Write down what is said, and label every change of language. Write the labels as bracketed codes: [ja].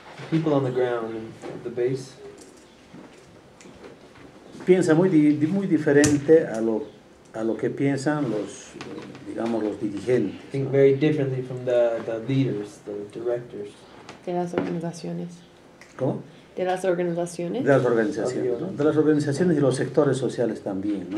[en] people on the ground, the base, [es] piensa muy diferente a lo que piensan los, digamos, los dirigentes. [en] Think very differently from the leaders, the directors. [es] De las organizaciones. ¿Cómo? De las organizaciones. De las organizaciones, ¿no? De las organizaciones y los sectores sociales también, ¿no?